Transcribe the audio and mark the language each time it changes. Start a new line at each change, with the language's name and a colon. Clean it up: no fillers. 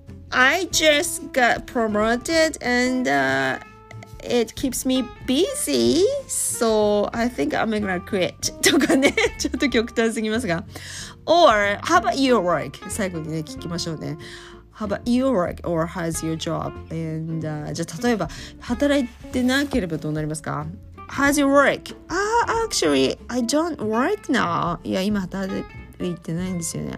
English: I just got promoted and it keeps me busy, so I think I'm gonna quit.
Japanese: とかね、ちょっと極端すぎますが。
English: Or, how about your work?
Japanese: 最後にね、聞きましょうね。
English: How about your work or how's your job?
Japanese: And, じゃあ例えば、働いてなければどうなりますか？
English: How's your work? Actually, I don't work now.
Japanese: いや、今働いてないんですよね。